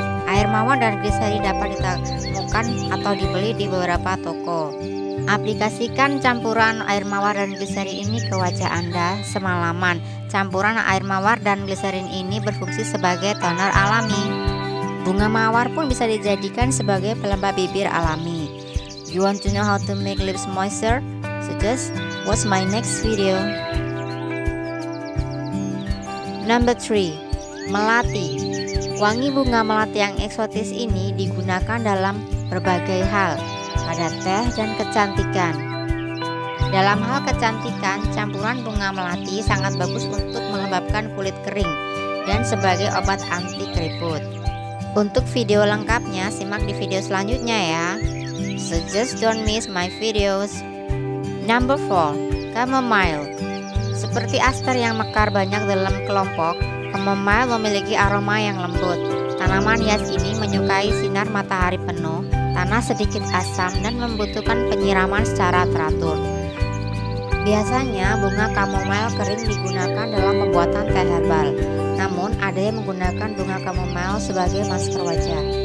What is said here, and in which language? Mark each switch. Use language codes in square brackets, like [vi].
[id] Air mawar dan gliserin dapat ditemukan atau dibeli di beberapa toko. Aplikasikan campuran air mawar dan gliserin ini ke wajah Anda semalaman. Campuran air mawar dan gliserin ini berfungsi sebagai toner alami. Bunga mawar pun bisa dijadikan sebagai pelembab bibir alami. [en] You want to know how to make lips moisture? So just watch my next video. Number 3. [id] Melati. Wangi bunga melati yang eksotis ini digunakan dalam berbagai hal, pada teh dan kecantikan. Dalam hal kecantikan, campuran bunga melati sangat bagus untuk melembabkan kulit kering dan sebagai obat anti keriput. Untuk video lengkapnya, simak di video selanjutnya ya. [en] So just don't miss my videos. Number 4. Chamomile. [id] Seperti aster yang mekar banyak dalam kelompok, chamomile memiliki aroma yang lembut. Tanaman hias ini menyukai sinar matahari penuh, tanah sedikit asam, dan membutuhkan penyiraman secara teratur. Biasanya bunga chamomile kering digunakan dalam pembuatan teh herbal, namun ada yang menggunakan bunga chamomile sebagai masker wajah.